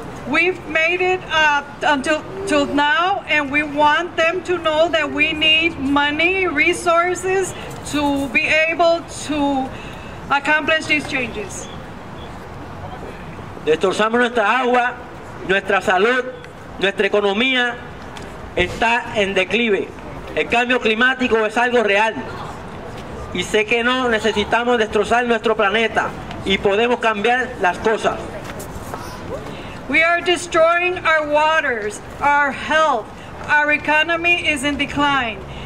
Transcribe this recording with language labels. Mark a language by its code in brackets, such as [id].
[en] We've made it until now, and we want them to know that we need money, resources, to be able to accomplish these changes. [es] Destrozamos nuestra agua, nuestra salud, nuestra economía está en declive. El cambio climático es algo real. Y sé que no necesitamos destrozar nuestro planeta, y podemos cambiar las cosas. [en] We are destroying our waters, our health, our economy is in decline.